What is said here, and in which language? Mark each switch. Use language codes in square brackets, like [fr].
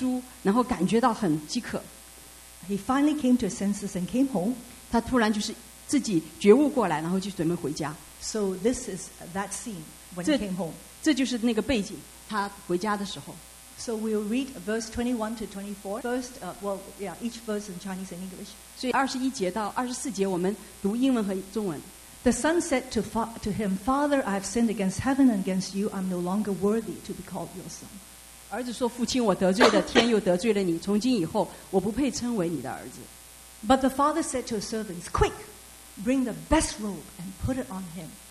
[zh] 所以他到最后，他到了一个地步，就是他甚至在喂猪，然后感觉到很饥渴。 [en] He finally came to his senses and came home. [zh] 他突然就是。自己觉悟过来，然后就准备回家。 [en] So this is that scene when he came home. [zh] 这就是那个背景，他回家的时候。 [en] So we'll read verse 21 to 24. First, each verse in Chinese and English. [zh] 所以21节到24节我们读英文和中文。 [en] The son said to him, Father, I have sinned against heaven and against you. I'm no longer worthy to be called your son. [zh] 儿子说，父亲，我得罪了天，又得罪了你。从今以后，我不配称为你的儿子。 [en] But the father said to his servants, Quick! Bring the best robe and put it on him.